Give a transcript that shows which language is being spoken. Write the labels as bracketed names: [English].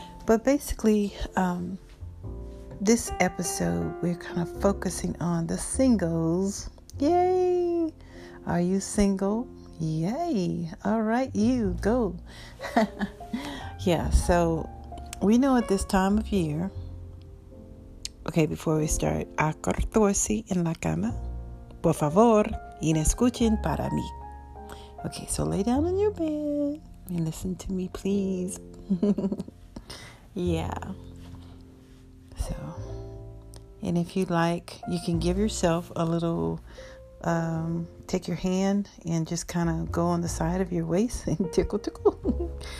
[English] But basically, this episode, we're kind of focusing on the singles. Yay! Are you single? Yay! All right, you, go. Yeah, so we know at this time of year. Okay, before we start, [Spanish] acostarse en la cama. Por favor, y escuchen para mí. [English] Okay, so lay down on your bed and listen to me, please. Yeah. So, and if you'd like, you can give yourself a little, take your hand and just kind of go on the side of your waist and tickle, tickle.